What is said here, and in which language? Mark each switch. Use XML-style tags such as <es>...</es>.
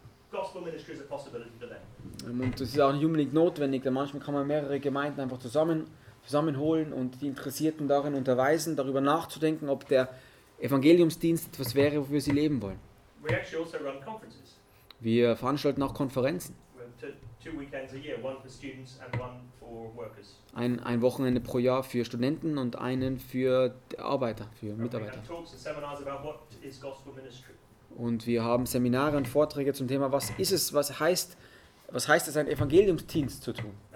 <en>Gospel ministry is a possibility for them.</en> <de>Und das ist auch nicht unbedingt notwendig, denn manchmal kann man mehrere Gemeinden einfach zusammenholen und die Interessierten darin unterweisen, darüber nachzudenken, ob der Evangeliumsdienst etwas wäre, wofür sie leben wollen.</de> <en>We actually also run conferences.</en> <de>Wir veranstalten auch Konferenzen.</de> <en>Two weekends a year, one for students and one for workers.</en> <de>Ein Wochenende pro Jahr für Studenten und einen für Arbeiter, für Mitarbeiter.</de> <en>And we have talks and seminars about what is gospel ministry.</en> <de>Und wir haben Seminare und Vorträge zum Thema, was ist es, was heißt es, einen Evangeliumsdienst zu tun?</de>